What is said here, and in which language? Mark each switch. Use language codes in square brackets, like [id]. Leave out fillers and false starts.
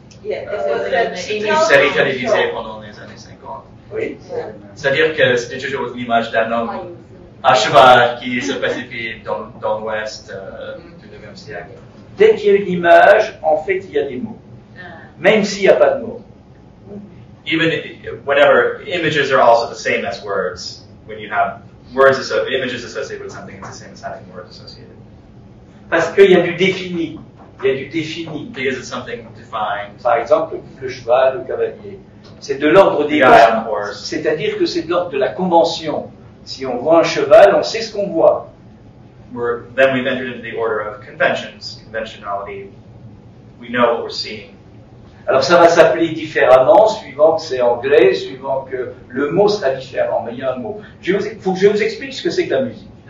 [fr] C'est une série télévisée pendant les années 50. Oui. C'est-à-dire que c'était toujours l'image d'un homme à cheval qui se pacifie dans l'Ouest du 19e siècle. Dès qu'il y a une image, en fait, il y a des mots. Même s'il n'y a pas de mots. [en] Even whenever images are also the same as words, when you have words images associated with something, it's the same as having words associated. [fr] Parce qu'il y a du défini. Il y a du défini. [en] Because it's something defined. [fr] Par exemple, le cheval, le cavalier. C'est de l'ordre des mots. C'est-à-dire que c'est de l'ordre de la convention. Si on voit un cheval, on sait ce qu'on voit. [en] Then we've entered into the order of conventions, conventionality. we know what we're seeing. [fr] Alors ça va s'appeler différemment suivant que c'est anglais, suivant que le mot sera différent, mais il y a un mot. Je vous explique ce que c'est que la musique.